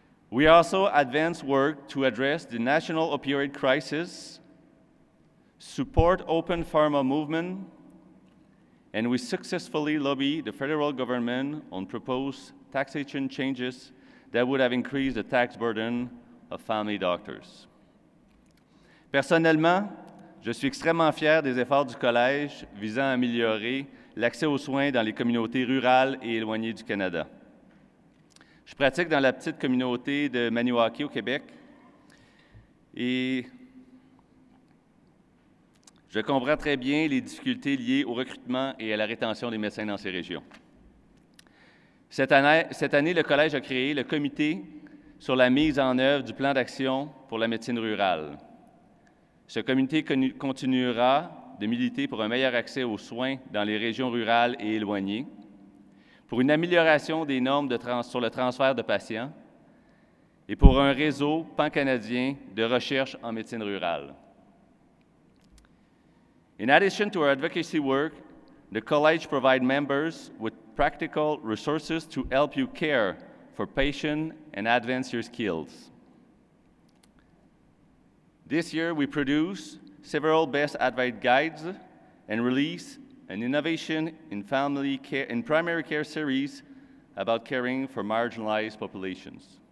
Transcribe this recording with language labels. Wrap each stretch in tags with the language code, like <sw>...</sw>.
<en>We also advance work to address the national opioid crisis, support open pharma movement, and we successfully lobby the federal government on proposed taxation changes that would have increased the tax burden of family doctors.</en> <fr>Personnellement, je suis extrêmement fier des efforts du collège visant à améliorer l'accès aux soins dans les communautés rurales et éloignées du Canada. Je pratique dans la petite communauté de Maniwaki au Québec et je comprends très bien les difficultés liées au recrutement et à la rétention des médecins dans ces régions. Cette année, le Collège a créé le comité sur la mise en œuvre du plan d'action pour la médecine rurale. Ce comité continuera de militer pour un meilleur accès aux soins dans les régions rurales et éloignées, pour une amélioration des normes sur le transfert de patients et pour un réseau pan-canadien de recherche en médecine rurale.</fr> <en>In addition to our advocacy work, the college provides members with practical resources to help you care for patience and advance your skills. This year, we produce several best advice guides and release an innovation in family care and primary care series about caring for marginalized populations.</en>